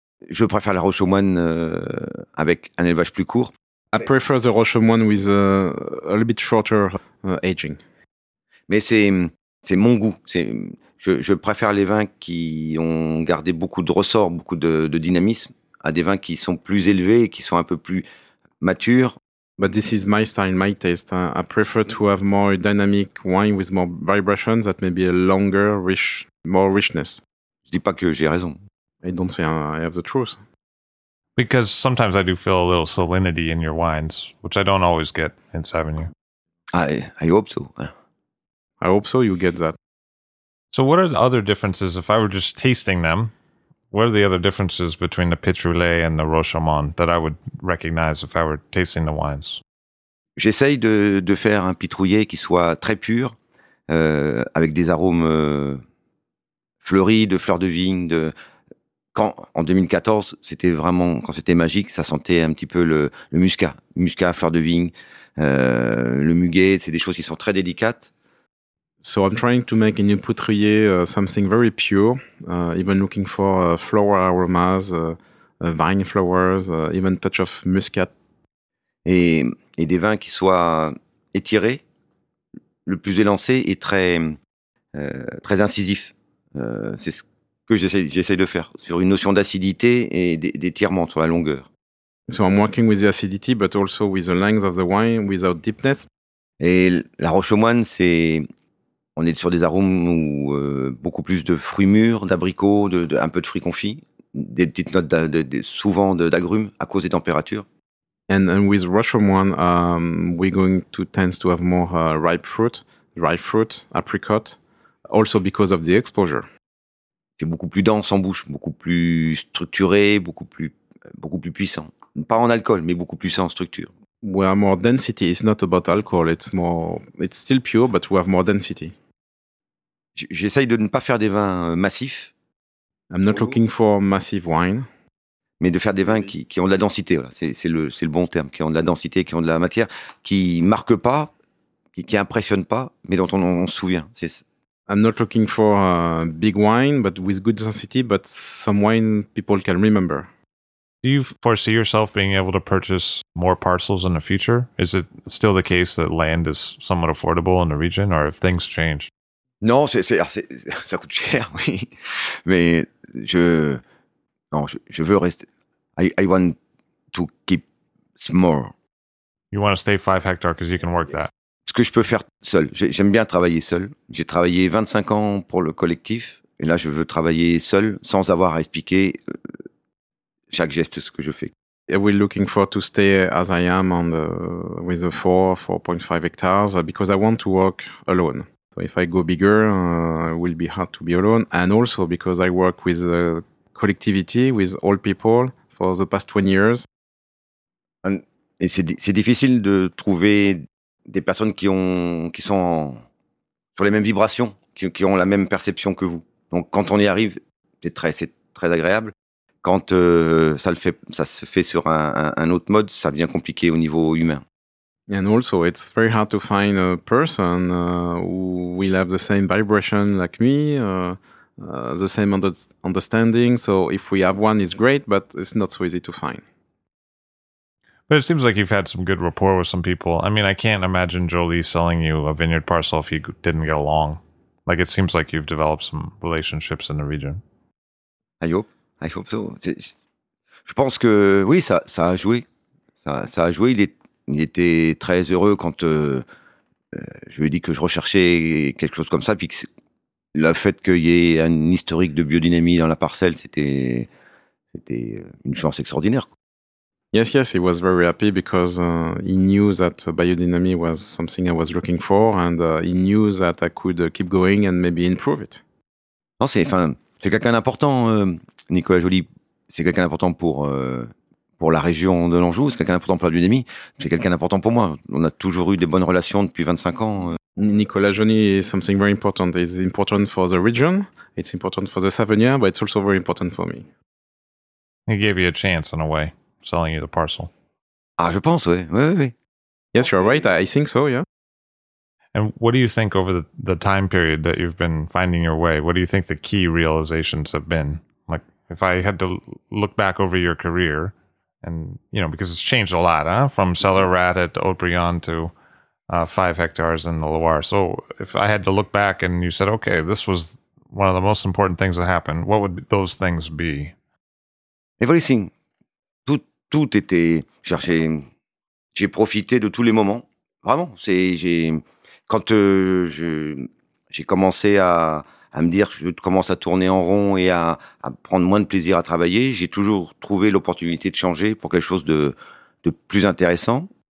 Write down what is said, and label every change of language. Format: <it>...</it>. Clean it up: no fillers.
<fr>Je préfère la Roche aux Moines avec un élevage plus court.</fr> <en>I prefer the Roche aux Moines with a little bit shorter aging.</en> <fr>Mais c'est mon goût. Je préfère les vins qui ont gardé beaucoup de ressort, beaucoup de dynamisme, à des vins qui sont plus élevés, qui sont un peu plus matures.</fr> <en>But this is my style, my taste. I prefer to have more dynamic wine with more vibrations that may be a longer, rich, more richness.</en> <fr>Je dis pas que j'ai raison.</fr> <en>I don't say I have the truth. Because sometimes I do feel a little salinity in your wines, which I don't always get in Sauvignon. I hope so. I hope so, you get that. So what are the other differences? If I were just tasting them, what are the other differences between the Pitrouillet and the Roche aux Moines that I would recognize if I were tasting the wines?</en> <fr>J'essaye de faire un Pitrouillet qui soit très pur, avec des arômes fleuris, de fleurs de vigne. Quand en 2014, c'était vraiment, quand c'était magique, ça sentait un petit peu le muscat, fleurs de vigne, le muguet, c'est des choses qui sont très délicates.</fr> <en>So I'm trying to make a new Pitrouillet something very pure, even looking for flower aromas, vine flowers, even touch of muscat.</en> <fr>Et des vins qui soient étirés, le plus élancé et très, très incisif. C'est ce que j'essaie de faire, sur une notion d'acidité et d'étirement sur la longueur.</fr> <en>So I'm working with the acidity, but also with the length of the wine, without deepness.</en> <fr>Et la Roche aux Moines, c'est... On est sur des arômes où beaucoup plus de fruits mûrs, d'abricots, un peu de fruits confits, des petites notes souvent d'agrumes à cause des températures.</fr> <en>And with Roche aux Moines, we're going to tend to have more ripe fruit, apricot, also because of the exposure.</en> <fr>C'est beaucoup plus dense en bouche, beaucoup plus structuré, beaucoup plus puissant. Pas en alcohol, mais beaucoup plus en structure.</fr> <en>We have more density. It's not about alcohol. It's still pure, but we have more density.</en> <fr>J'essaye de ne pas faire des vins massifs.</fr> <en>I'm not looking for massive wine.</en> <fr>Mais de faire des vins qui ont de la densité. Voilà. C'est le bon terme. Qui ont de la densité, qui ont de la matière, qui marquent pas, qui impressionnent pas, mais dont on se souvient. C'est ça.</fr> <en>I'm not looking for a big wine, but with good density, but some wine people can remember. Do you foresee yourself being able to purchase more parcels in the future? Is it still the case that land is somewhat affordable in the region, or have things changed?</en> <fr>Non, c'est ça coûte cher, oui. Mais je veux rester.</fr> <en>I want to keep small. You want to stay 5 hectares because you can work that.</en> <fr>Ce que je peux faire seul. J'aime bien travailler seul. J'ai travaillé 25 ans pour le collectif, et là je veux travailler seul sans avoir à expliquer. Chaque geste, ce que je fais.</fr> <en>We're looking for to stay as I am on the with the 4.5 hectares because I want to work alone. So if I go bigger, it will be hard to be alone. And also because I work with the collectivity, with all people for the past 20 years.</en> <fr>Et c'est difficile de trouver des personnes qui sont sur les mêmes vibrations, qui ont la même perception que vous. Donc quand on y arrive, c'est très agréable. Quand ça se fait sur un autre mode, ça devient compliqué au niveau humain.</fr> <en>And also, it's very hard to find a person who will have the same vibration like me, the same understanding. So if we have one, it's great, but it's not so easy to find. But it seems like you've had some good rapport with some people. I mean, I can't imagine Jolie selling you a vineyard parcel if you didn't get along. Like, it seems like you've developed some relationships in the region. I hope so.</en> <fr>Je pense que oui, ça a joué. Ça a joué. Il était très heureux quand je lui ai dit que je recherchais quelque chose comme ça. Puis le fait qu'il y ait un historique de biodynamie dans la parcelle, c'était une chance extraordinaire.</fr> <en>Yes, he was very happy because he knew that biodynamy was something I was looking for, and he knew that I could keep going and maybe improve it.</en> <fr>Non, c'est quelqu'un d'important, Nicolas Joly. C'est quelqu'un d'important pour la région de l'Anjou, c'est quelqu'un d'important pour la biodynamie, c'est quelqu'un d'important pour moi. On a toujours eu des bonnes relations depuis 25 ans.</fr> <en>Nicolas Joly is something very important. It's important for the region, it's important for the Savonnière, but it's also very important for me. He gave you a chance in a way. Selling you the parcel.</en> <fr>Ah, je pense, oui. Oui.</fr> <en>Yes, you're right. I think so, yeah. And what do you think over the time period that you've been finding your way, what do you think the key realizations have been? Like, if I had to look back over your career, and, you know, because it's changed a lot, huh? From cellar rat at Haute-Brion to 5 hectares in the Loire. So if I had to look back and you said, okay, this was one of the most important things that happened, what would those things be? Everything.</en> <fr>Tout était cherché. J'ai profité de tous les moments. Vraiment, j'ai commencé à me dire que je commence à tourner en rond et à prendre moins de plaisir à travailler. J'ai toujours trouvé l'opportunité de changer pour quelque chose de plus intéressant.</fr>